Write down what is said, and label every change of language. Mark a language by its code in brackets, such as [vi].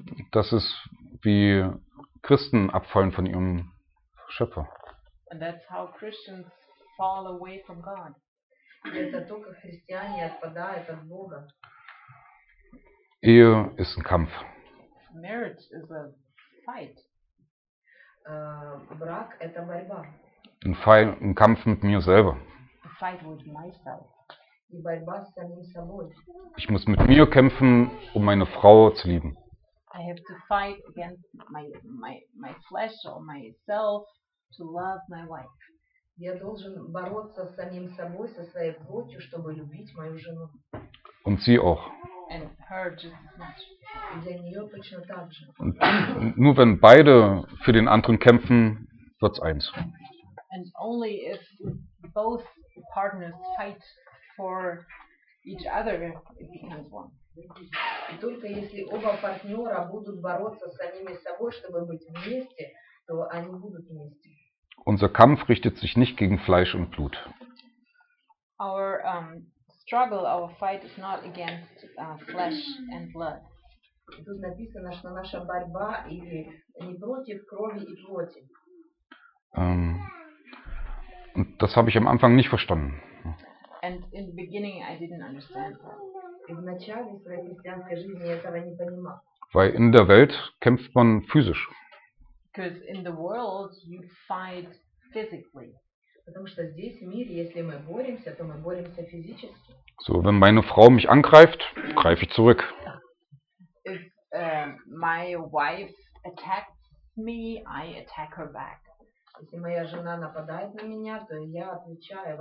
[de] Das ist, wie Christen abfallen von ihrem Schöpfer. [en] And that's how Christians fall away from God. [ru] Это то, как христиане отпадают от Бога. [de] Ehe ist ein Kampf. [en] Marriage is a fight. [ru] Брак – это борьба. [de] Ein Kampf mit mir selber. [en] A fight with myself. [ru] Die борьба с самим собой. [de] Ich muss mit mir kämpfen, um meine Frau zu lieben. [en] I have to fight against my flesh or myself to love my wife. [ru] Я должен бороться с самим собой, со своей плотью, чтобы любить мою жену. [de] Und sie auch. [en] And her just as much. [ru] И для нее точно так же. [de] Und nur wenn beide für den anderen kämpfen, wird's eins. [en] And only if both partners fight for each other, it becomes one. [ru] И только если оба партнера будут бороться с самими собой, чтобы быть вместе, то они будут вместе. [de] Unser Kampf richtet sich nicht gegen Fleisch und Blut. [en] Our struggle, our fight is not against flesh and blood. [ru] Тут написано, что наша борьба или не против крови и плоти. [de] Und das habe ich am Anfang nicht verstanden. [en] And in the beginning I didn't understand. [ru] В начале своей христианской жизни я этого не понимал. [de] Weil in der Welt kämpft man physisch. [en] Because in the world you fight physically. [ru] Потому что здесь, в мире, если мы боремся, то мы боремся физически. [de] So, wenn meine Frau mich angreift, greife ich zurück. [en] If my wife attacks me, I attack her back. [ru] Если моя жена нападает на меня, то я отвечаю в